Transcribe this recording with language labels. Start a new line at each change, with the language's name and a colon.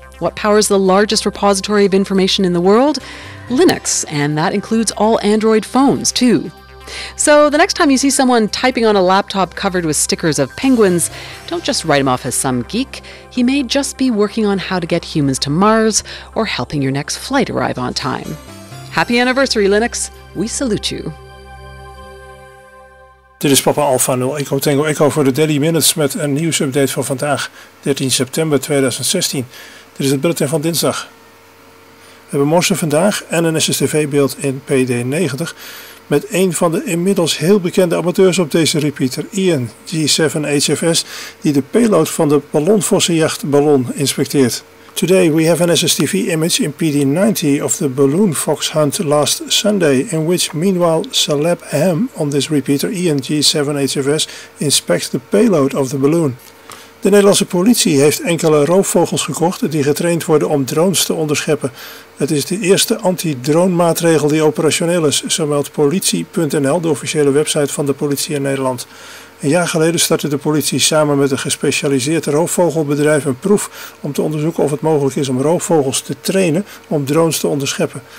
English: What powers the largest repository of information in the world? Linux, and that includes all Android phones, too. So the next time you see someone typing on a laptop covered with stickers of penguins, don't just write him off as some geek. He may just be working on how to get humans to Mars or helping your next flight arrive on time. Happy anniversary, Linux. We salute you.
Dutch: Dit is Papa Alpha 0 Echo Tango Echo voor de Daily Minutes met een nieuwsupdate van vandaag, 13 september 2016. Dit is het bulletin van dinsdag. We hebben morsen vandaag en een SSTV-beeld in PD90 met een van de inmiddels heel bekende amateurs op deze repeater, Ian G7HFS, die de payload van de ballonvossenjacht Ballon inspecteert.
English: Today we have an SSTV image in PD90 of the balloon fox hunt last Sunday, in which meanwhile Celeb Ham on this repeater ENG7HFS inspects the payload of the balloon.
Dutch: De Nederlandse politie heeft enkele roofvogels gekocht die getraind worden om drones te onderscheppen. Het is de eerste anti-drone maatregel die operationeel is, zo meldt politie.nl, de officiële website van de politie in Nederland. Een jaar geleden startte de politie samen met een gespecialiseerd roofvogelbedrijf een proef om te onderzoeken of het mogelijk is om roofvogels te trainen om drones te onderscheppen.